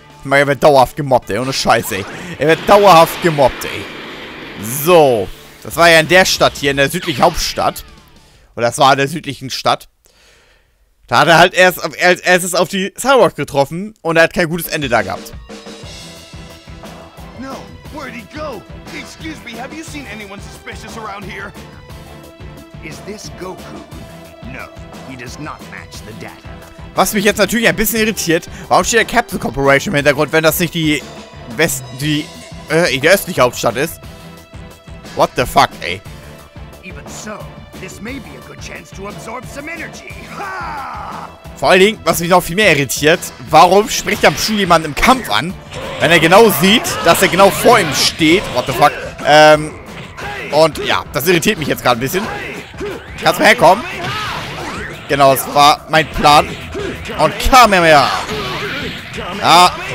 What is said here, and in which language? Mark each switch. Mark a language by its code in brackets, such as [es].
[de] Er wird dauerhaft gemobbt, ey. Ohne Scheiße, ey. Er wird dauerhaft gemobbt, ey. So. Das war ja in der Stadt hier, in der südlichen Hauptstadt. Oder das war in der südlichen Stadt. Da hat er halt erst auf die Cyborg getroffen und er hat kein gutes Ende da gehabt. [en] No, where'd he go? Excuse me, have you seen anyone suspicious around here? Is this Goku? No, he does not match the data. [de] Was mich jetzt natürlich ein bisschen irritiert, warum steht der Capcom Corporation im Hintergrund, wenn das nicht die West, die östliche Hauptstadt ist? [en] What the fuck, ey? Even so, this may be a good chance to absorb some energy. Ha! [de] Vor allen Dingen, was mich noch viel mehr irritiert, warum spricht am Schuh jemand im Kampf an, wenn er genau sieht, dass er genau vor ihm steht? [en] What the fuck? [de] Und ja, das irritiert mich jetzt gerade ein bisschen. Kannst du mal herkommen? Genau, das war mein Plan. Und Kamehameha. Ja.